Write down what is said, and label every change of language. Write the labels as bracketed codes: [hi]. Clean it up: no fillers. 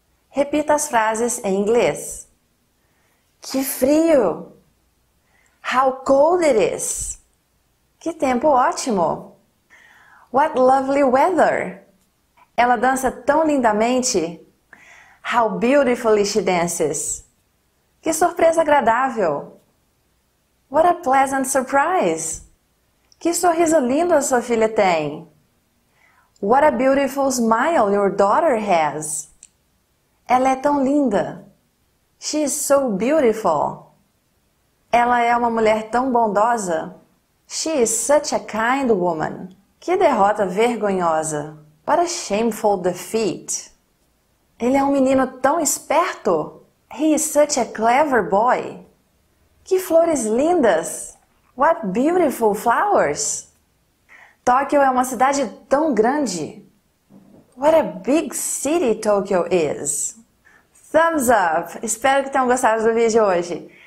[pt] Repita as frases em inglês. Que frio! [en] How cold it is! [pt] Que tempo ótimo! [en] What lovely weather! [pt] Ela dança tão lindamente. [en] How beautifully she dances. [pt] Que surpresa agradável. [en] What a pleasant surprise. [pt] Que sorriso lindo a sua filha tem. [en] What a beautiful smile your daughter has. [pt] Ela é tão linda. [en] She is so beautiful. [pt] Ela é uma mulher tão bondosa. [en] She is such a kind woman. [pt] Que derrota vergonhosa. [en] What a shameful defeat. [pt] Ele é um menino tão esperto. [en] He is such a clever boy. [pt] Que flores lindas. [en] What beautiful flowers. [pt] Tóquio é uma cidade tão grande. [en] What a big city Tokyo is. Thumbs up! [pt] Espero que tenham gostado do vídeo hoje.